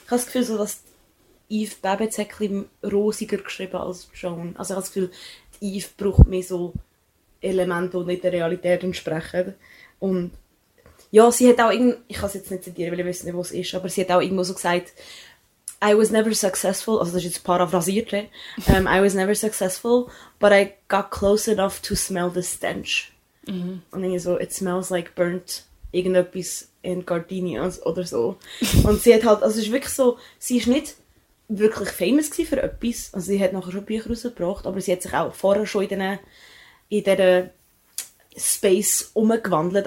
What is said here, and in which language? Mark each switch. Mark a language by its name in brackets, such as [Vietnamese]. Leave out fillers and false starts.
[German] Ich habe das Gefühl, so, dass Eve Babbitts ein bisschen rosiger geschrieben als Joan. Also ich habe das Gefühl, Eve braucht mehr so Elemente, die nicht der Realität entsprechen. Und ja, sie hat auch irgendwie, ich kann es jetzt nicht zitieren, weil ich weiß nicht, was es ist, aber sie hat auch irgendwo so gesagt, [English] I was never successful, [German] also das ist jetzt paraphrasiert, ne? [English] I was never successful, but I got close enough to smell the stench. Mhm. [German] Und irgendwie so, [English] it smells like burnt [German] irgendetwas in Gardinien oder so. Und sie hat halt, also es ist wirklich so, sie ist nicht wirklich famous gewesen für etwas, also sie hat nachher schon Bücher rausgebracht, aber sie hat sich auch vorher schon in dieser Space umgewandelt.